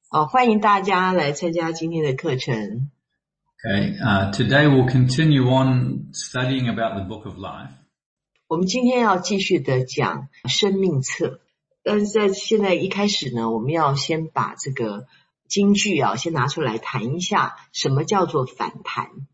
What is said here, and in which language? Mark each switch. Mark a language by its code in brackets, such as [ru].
[zh] 欢迎大家来参加今天的课程。 [en] Okay, today we'll continue on studying about the Book of Life. [zh] 我们今天要继续的讲生命册，但是在现在一开始呢，我们要先把这个金句啊，先拿出来谈一下，什么叫做反弹。